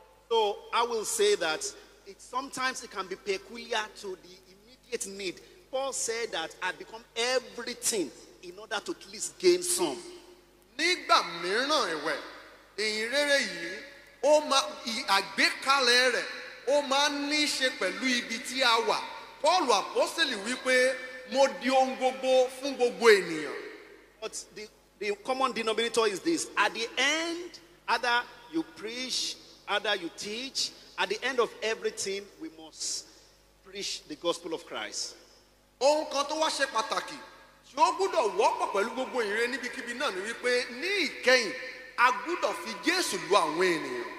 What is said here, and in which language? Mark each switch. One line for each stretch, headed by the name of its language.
English: So I will say that sometimes it can be peculiar to the immediate need. Paul said that I become everything in order to at least gain some.
Yoruba: Nígbà mìíràn ẹ̀wẹ̀, ìrere yìí, ó máa àgbékalẹ̀ rẹ̀, ó máa ní ṣe pẹ̀lú ibi tí a wà. Paul apostle wípé mo di ohun gbogbo fún gbogbo ènìyàn.
English: But the common denominator is this: at the end, either you preach, either you teach, at the end of everything, we must preach the gospel of Christ.
Yoruba: Ohun kan tó wá ṣe pàtàkì tí ó gbúdọ̀ wọ́pọ̀ pẹ̀lú gbogbo ìrere níbikíbi náà ni wípé ní ìkẹyìn, a gbúdọ̀ fi Jésù lu àwọn ènìyàn.